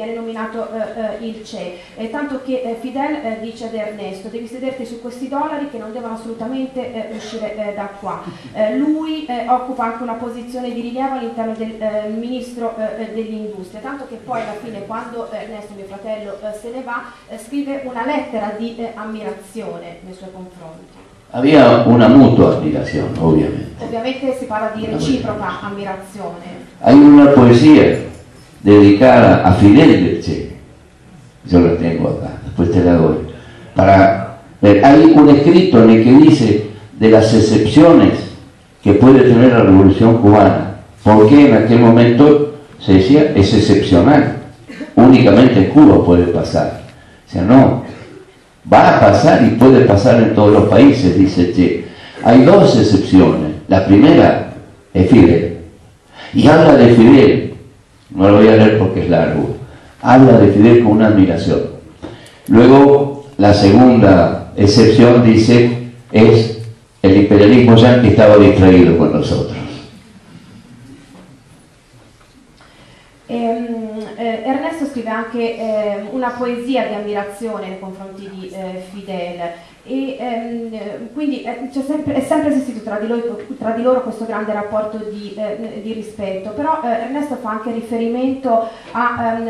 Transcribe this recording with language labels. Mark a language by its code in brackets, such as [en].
[it] Viene nominato il CE, tanto che Fidel dice ad Ernesto, devi sederti su questi dollari che non devono assolutamente uscire da qua. Lui occupa anche una posizione di rilievo all'interno del ministro dell'industria, tanto che poi alla fine, quando Ernesto, mio fratello, se ne va, scrive una lettera di ammirazione nei suoi confronti. [es] Había una mutua admiración, obviamente. [it] Obviamente se parla di reciproca ammirazione. [es] Hay una poesía dedicada a Fidel del Che. Yo la tengo acá, después te la doy. Hay un escrito en el que dice de las excepciones que puede tener la Revolución Cubana. ¿Por qué en aquel momento se decía es excepcional? únicamente en Cuba puede pasar. O sea, no, va a pasar y puede pasar en todos los países, dice Che. Hay dos excepciones. La primera es Fidel. Y habla de Fidel, no lo voy a leer porque es largo, habla de Fidel con una admiración. Luego, la segunda excepción, dice, es el imperialismo ya que estaba distraído con nosotros. [it] Ernesto scrive anche una poesia di ammirazione nei confronti di Fidel, e quindi è sempre esistito tra di loro questo grande rapporto di rispetto, però Ernesto fa anche riferimento a